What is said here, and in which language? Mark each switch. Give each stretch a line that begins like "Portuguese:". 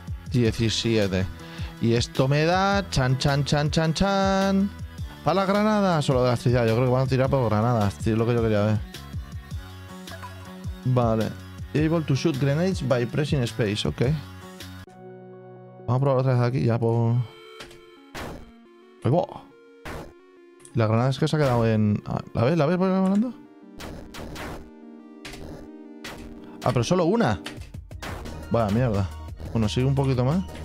Spanish: Diecisiete. Y esto me da. Chan, chan, chan, chan, chan. ¿Para las granadas o lo de la astilla? Yo creo que van a tirar por granadas. Es lo que yo quería ver. Vale.
English: Able to shoot grenades by pressing space. Ok.
Spanish: Vamos a probar otra vez aquí. Ya por. ¡Ay, wow! La granada es que se ha quedado en. ¿La ves? ¿La ves por ahí volando? Ah, pero solo una. Vaya mierda. Bueno, sigue un poquito más.